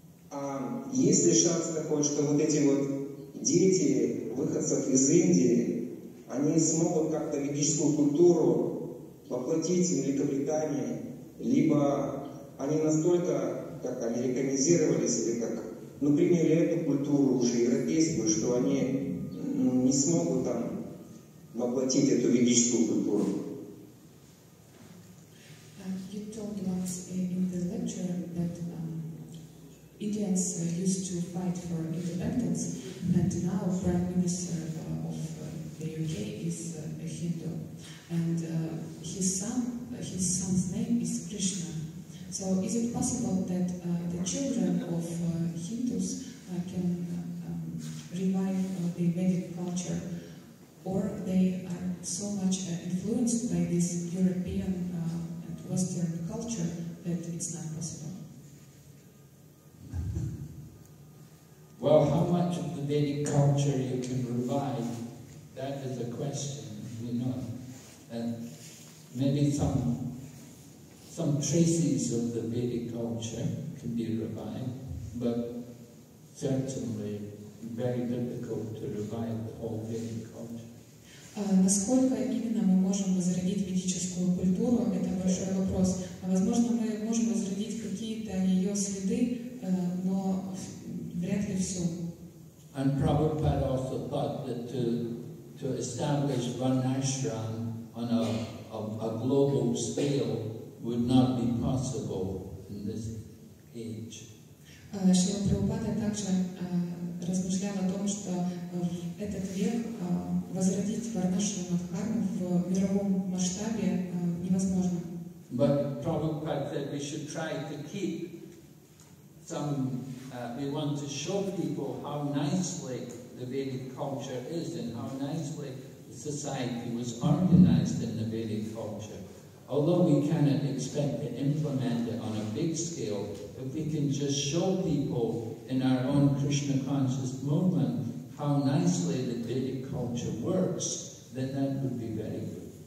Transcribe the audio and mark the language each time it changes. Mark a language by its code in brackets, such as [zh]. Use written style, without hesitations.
[ru] А есть ли шанс такой, что вот эти вот дети выходцев из Индии, они смогут как-то ведическую культуру воплотить в Великобритании, либо они настолько как американизировались или как, ну, приняли эту культуру уже европейскую, что они не смогут там воплотить эту ведическую культуру. [en] You told us in the lecture that Indians used to fight for independence, and now Prime Minister of the UK is a Hindu. And his son's name is Krishna. So is it possible that the children of Hindus can revive the Vedic culture, or they are so much influenced by this European and Western culture that it's not possible? Well, how much of the Vedic culture you can revive, that is a question, you know. And maybe some traces of the Vedic culture can be revived, but certainly very difficult to revive the whole Vedic culture. [ru] Насколько именно мы можем возродить ведическую культуру, это большой вопрос. Возможно, мы можем возродить какие-то ее следы, но вряд ли все. [en] And Prabhupada also thought that to establish one ashram on a global scale would not be possible in this age. [ru] Шрила Прабхупада также размышлял о том, что в этот век возродить варнашрама дхарму в мировом масштабе невозможно. [en] But Prabhupada said we should try to keep some, we want to show people how nicely the Vedic culture is and how nicely society was organized in the Vedic culture. Although we cannot expect to implement it on a big scale, if we can just show people in our own Krishna conscious movement how nicely the Vedic culture works, then that would be very good.